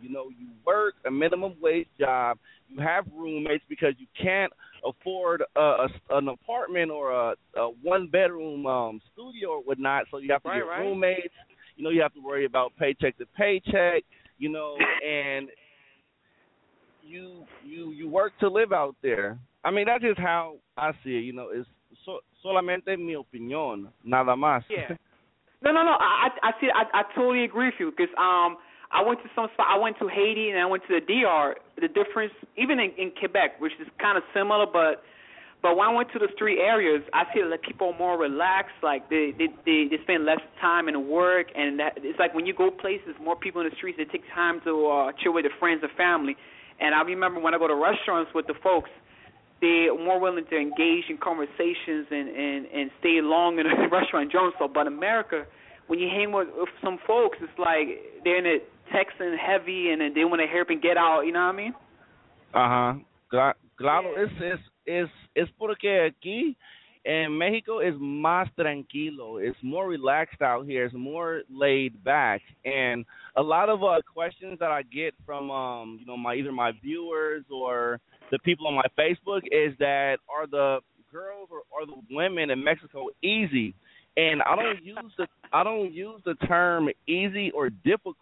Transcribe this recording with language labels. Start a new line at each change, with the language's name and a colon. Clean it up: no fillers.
English: You know, you work a minimum wage job. You have roommates because you can't afford an apartment or a one-bedroom studio or whatnot. So you have to get roommates. You know, you have to worry about paycheck to paycheck, you know, and you work to live out there. I mean, that's just how I see it, you know. It's
Spanish: solamente mi opinión, nada más.
English: Yeah. No. I totally agree with you because I went to some spot. I went to Haiti and I went to the DR. The difference, even in Quebec, which is kind of similar, but when I went to those three areas, I feel like people are more relaxed. Like they spend less time in work, and that, it's like when you go places, more people in the streets. They take time to chill with their friends and family. And I remember when I go to restaurants with the folks, they're more willing to engage in conversations and stay long in a restaurant general. But America, when you hang with some folks, it's like they're in it texting heavy and they want to hear up and get out, you know what I mean? Uh-huh.
Spanish: Claro,
English: yeah.
Spanish: Es porque aquí en México es más tranquilo.
English: It's more relaxed out here. It's more laid back. And a lot of questions that I get from, you know, my viewers or the people on my Facebook is that, are the girls or are the women in Mexico easy? And I don't use the term easy or difficult.